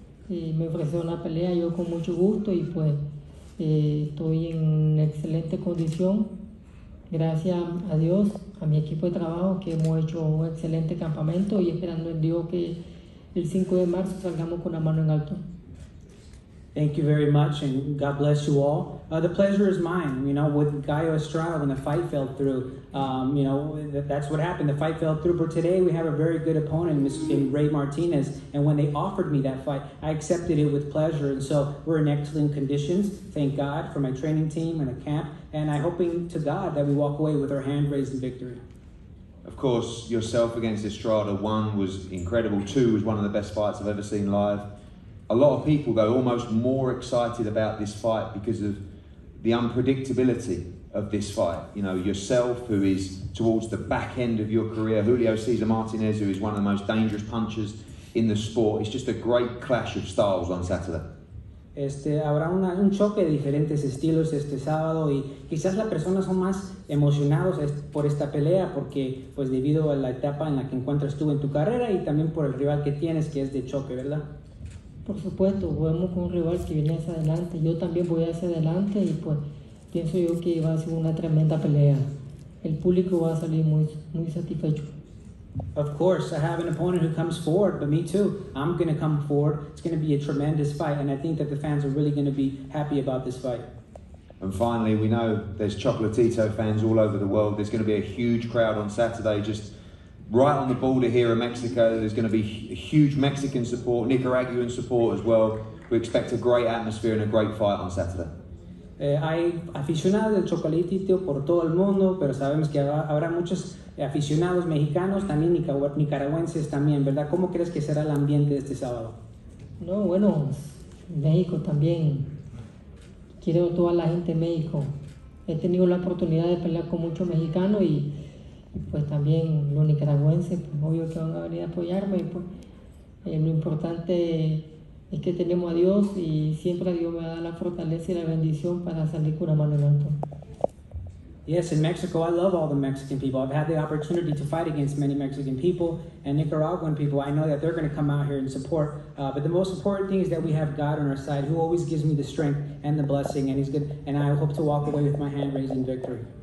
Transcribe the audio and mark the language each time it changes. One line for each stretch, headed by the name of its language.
Spanish: Y me ofreció una pelea yo con mucho gusto y pues estoy en excelente condición. Gracias a Dios, a mi equipo de trabajo que hemos hecho un excelente campamento y esperando en Dios que el 5 de marzo salgamos con la mano en alto.
English: Thank you very much and God bless you all. The pleasure is mine, you know, with Gallo Estrada when the fight fell through. You know, that's what happened. The fight fell through. But today we have a very good opponent in Rey Martinez. And when they offered me that fight, I accepted it with pleasure. And so we're in excellent conditions. Thank God for my training team and a camp. And I'm hoping to God that we walk away with our hand raised in victory. Of course, yourself against Estrada, one was incredible. Two was one of the best fights I've ever seen live. A lot of people, though, almost more excited about this fight because of the unpredictability of this fight. You know, yourself, who is towards the back end of your career, Julio Cesar Martinez, who is one of the most dangerous punchers in the sport. It's just a great clash of styles on Saturday.
Spanish: Habrá un choque de diferentes estilos este sábado y quizás las personas son más emocionados por esta pelea porque, pues, debido a la etapa en la que encuentras tú en tu carrera y también por el rival que tienes, que es de choque, ¿verdad? Por supuesto, jugamos con un rival que viene hacia adelante. Yo también voy hacia adelante y pues pienso yo que va a ser una tremenda pelea. El público va a salir muy, muy satisfecho.
English: Of course, I have an opponent who comes forward, but me too. I'm going to come forward. It's going to be a tremendous fight, and I think that the fans are really going to be happy about this fight. And finally, we know there's Chocolatito fans all over the world. There's going to be a huge crowd on Saturday, just right on the border here in Mexico. There's going to be huge Mexican support, Nicaraguan support as well. We expect a great atmosphere and a great fight on Saturday.
Spanish: Hay aficionados del Chocolatito por todo el mundo, pero sabemos que habrá muchos aficionados mexicanos, también nicaragüenses también, ¿verdad? ¿Cómo crees que será el ambiente de este sábado? No, bueno, México también. Quiero toda la gente de México. He tenido la oportunidad de pelear con muchos mexicanos y pues también los nicaragüenses, pues obvio que van a venir a apoyarme. Pues, lo importante es que tenemos a Dios y siempre a Dios me da la fortaleza y la bendición para salir con una mano en alto.
English: Yes, in Mexico, I love all the Mexican people. I've had the opportunity to fight against many Mexican people and Nicaraguan people. I know that they're going to come out here and support. But the most important thing is that we have God on our side, who always gives me the strength and the blessing, and he's good. And I hope to walk away with my hand raised in victory.